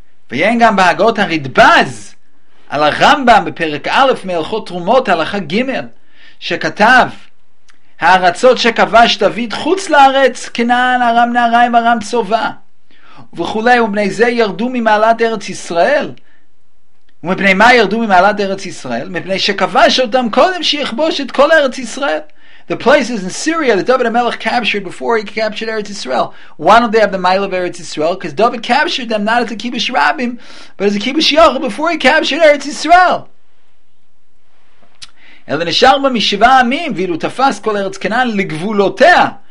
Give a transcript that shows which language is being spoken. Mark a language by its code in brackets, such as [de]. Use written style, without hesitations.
[he] ויהיה גם בהגות הרדבז על הרמב״ם בפרק א' מהלכות תרומות, הלכה ג', שכתב, הארצות שכבש דוד חוץ לארץ, כנען, ארם נעריים, ארם צובה. וכולי, ובני זה ירדו ממעלת ארץ ישראל. ומפני מה ירדו ממעלת ארץ ישראל? מפני שכבש אותם קודם שיכבוש את כל ארץ ישראל. [en] The places in Syria that David HaMelech captured before he captured Eretz Yisrael. Why don't they have the Mile of Eretz Yisrael? Because David captured them not as a Kibush Rabim, but as a Kibush Yoch before he captured Eretz Yisrael. [he] אלא נשאר בה משבע עמים, ואילו תפס כל ארץ כנען לגבולותיה.